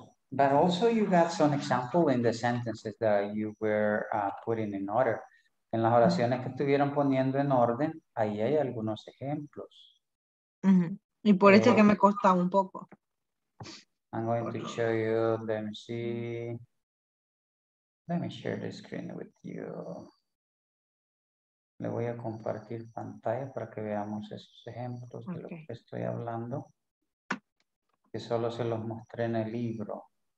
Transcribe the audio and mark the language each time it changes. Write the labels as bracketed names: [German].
[English] But also you got some example in the sentences that you were putting in order. [Spanish] En las oraciones mm-hmm. que estuvieron poniendo en orden, ahí hay algunos ejemplos. Mm-hmm. Y por eso que me costó un poco. [English] I'm going to show you, let me see. Let me share the screen with you. [Spanish] Le voy a compartir pantalla para que veamos esos ejemplos okay. de lo que estoy hablando. Que solo se los mostré en el libro.